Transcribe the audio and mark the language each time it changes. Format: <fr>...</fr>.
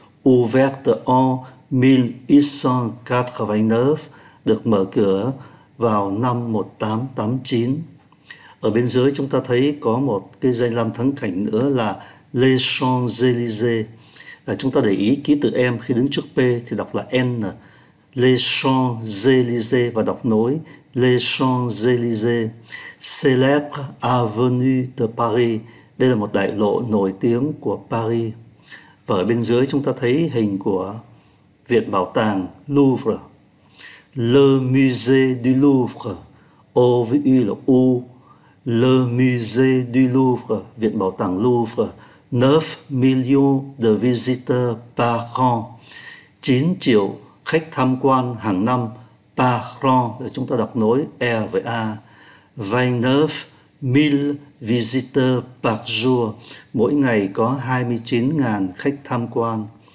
<fr>Ouverte en 1889,</fr> <vi>được mở cửa vào năm 1889. Ở bên dưới chúng ta thấy có một cái danh lam thắng cảnh nữa là Les Champs-Élysées. Chúng ta để ý ký tự M khi đứng trước P thì đọc là N. Les Champs-Élysées và đọc nối Les Champs-Élysées.</vi> <fr>Célèbre avenue de Paris.</fr> <vi>Đây là một đại lộ nổi tiếng của Paris. Và ở bên dưới chúng ta thấy hình của Viện Bảo tàng Louvre. Le Musée du Louvre, O với U là U, Le Musée du Louvre, Viện Bảo tàng Louvre,</vi> <fr>9 millions de visiteurs par an,</fr> <vi>9 triệu khách tham quan hàng năm,</vi> <fr>par an,</fr> <vi>chúng ta đọc nối E với A,</vi> <fr>29 mille visiteurs par jour,</fr> <vi>mỗi ngày có 29.000 khách tham quan.</vi>